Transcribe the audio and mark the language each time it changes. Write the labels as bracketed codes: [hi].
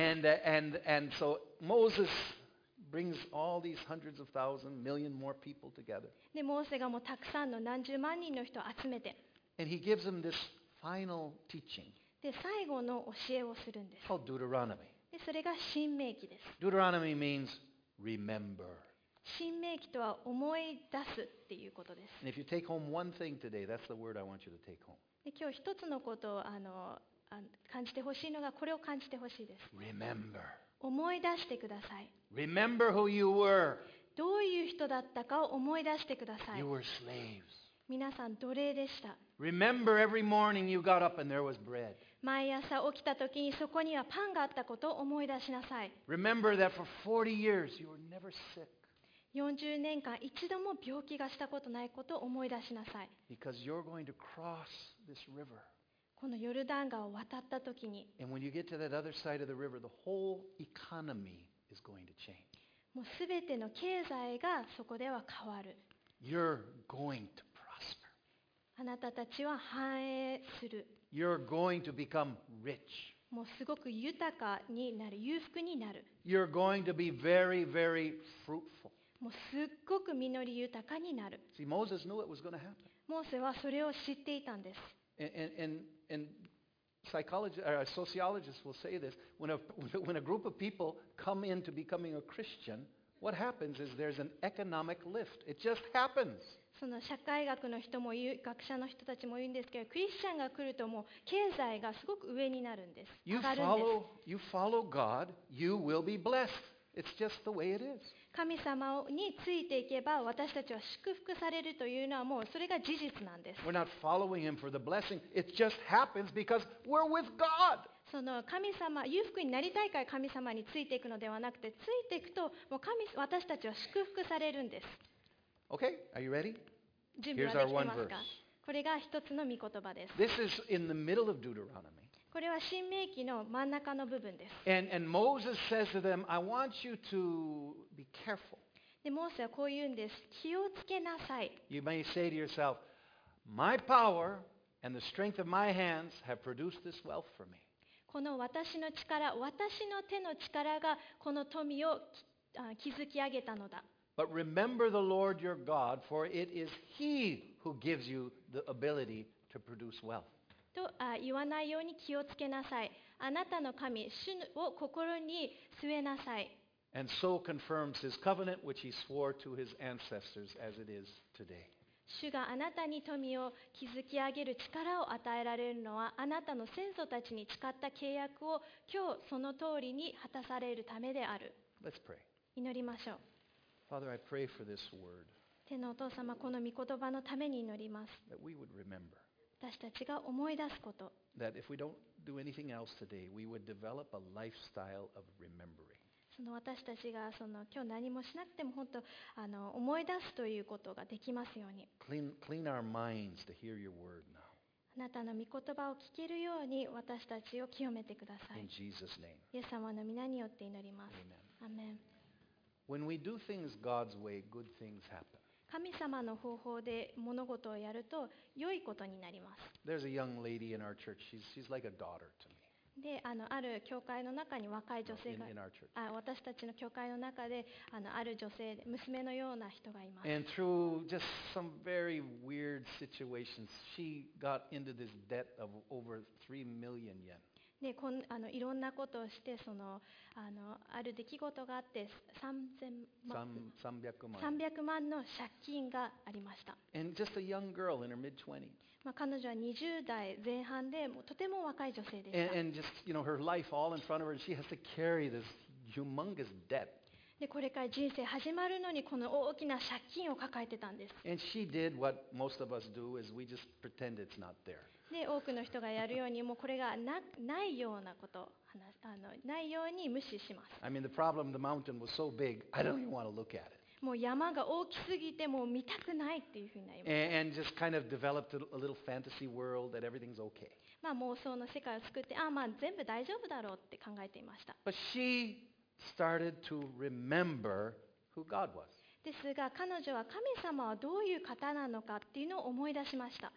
[en] And so Moses brings all these hundreds of thousands, million more people together. [ja] で、モーセがもうたくさんの何十万人の人を集めて。 [en] And he gives them this final teaching. [ja] で、最後の教えをするんです。 [en] Called Deuteronomy. [ja] で、それが新命記です。 [en] Deuteronomy means remember. [ja] 新命記とは思い出すっていうことです。 [en] And if you take home one thing today, that's the word I want you to take home. [ja] で今日一つのことをあの感じてほしいのがこれを感じてほしいです。 [en] Remember. [ja] 思い出してください。 [en] Remember who you were. [ja] どういう人だったかを思い出してください。 [en] You were slaves. [ja] 皆さん奴隷でした。 [en] Remember every morning you got up and there was bread. [ja] 毎朝起きた時にそこにはパンがあったことを思い出しなさい。 [en] Remember that for 40 years you were never sick. [ja] 40年間一度も病気がしたことないことを思い出しなさい。 [en] Because you're going to cross this river. [ja] このヨルダン川を渡った時に。 [en] And when you get to that other side of the river, the whole economy is going to change. [ja] もうすべての経済がそこでは変わる。 [en] You're going to prosper. [ja] あなたたちは繁栄する。 [en] You're going to become rich. [ja] もうすごく豊かになる、裕福になる。 [en] You're going to be very, very fruitful. [ja] もうすっごく実り豊かになる。 [en] See, Moses knew it was going to happen. [ja] モーセはそれを知っていたんです。 [en] And psychologists, or sociologists will say this, when a group of people come into becoming a Christian, what happens is there's an economic lift. It just happens. [ja] その社会学の人も言う、学者の人たちも言うんですけど、クリスチャンが来るともう経済がすごく上になるんです。 [en] You follow God, you will be blessed. It's just the way it is. [ja] 神様についていけば私たちは祝福されるというのはもうそれが事実なんです。 [en] We're not following Him for the blessing. It just happens because we're with God. [ja] その神様、裕福になりたいから神様についていくのではなくて、ついていくともう神、私たちは祝福されるんです。 [en] Okay, are you ready? [ja] 準備はできてますか? [en] Here's our one verse. [ja] これが一つの御言葉です。 [en] This is in the middle of Deuteronomy. [ja] これは新命記の真ん中の部分です。 [en] And Moses says to them, I want you to be careful. [ja] で、モーセはこう言うんです。気をつけなさい。 [en] You may say to yourself, My power and the strength of my hands have produced this wealth for me. [ja] この私の力、私の手の力がこの富を築き上げたのだ。 [en] But remember the Lord your God, for it is He who gives you the ability to produce wealth. [ja] と言わないように気をつけなさい。あなたの神、主を心に据えなさい。 [en] And so confirms His covenant, which He swore to His ancestors as it is today. [ja] 主があなたに富を築き上げる力を与えられるのは、あなたの先祖たちに誓った契約を今日その通りに果たされるためである。 [en] Let's pray. [ja] 祈りましょう。 [en] Father, I pray for this word. [ja] 天のお父様、この御言葉のために祈ります。 [en] That we would remember. [ja] 私たちが思い出すこと。 [en] That if we don't do anything else today, we would develop a lifestyle of remembering. [ja] その私たちがその今日何もしなくても本当あの思い出すということができますように。 [en] Clean our minds to hear your word now. [ja] あなたの御言葉を聞けるように私たちを清めてください。 [en] In Jesus' name. [ja] イエス様の名によって祈ります。 [en] Amen. When we do things God's way, good things happen. [ja] 神様の方法で物事をやると良いことになります。 [en] There's a young lady in our church. She's like a daughter to me. [ja] で、ある教会の中に若い女性が、私たちの教会の中で、ある女性で、娘のような人がいます。 [en] And through just some very weird situations, she got into this debt of over 3 million yen. [ja] でこんいろんなことをして、ある出来事があって300万の借金がありました。 [en] And just a young girl in her mid-20s. [ja] まあ、彼女は20代前半で、もうとても若い女性でした。 [en] And just, you know, her life all in front of her, she has to carry this humongous debt. [ja] でこれから人生始まるのにこの大きな借金を抱えてたんです。 [en] And she did what most of us do is we just pretend it's not there. [ja] で多くの人がやるようにもうこれが ないようなこと話ないように無視します。 [en] I mean the problem the mountain was so big I don't even want to look at it. [ja] もう山が大きすぎてもう見たくないっていうふうになります。 [en] And just kind of developed a little fantasy world that everything's okay. [ja] まあ妄想の世界を作ってまあ全部大丈夫だろうって考えていました。 [en] But sheStarted to remember who God was. [ja] ですが彼女は神様はどういう方なのかっていうのを思い出しました。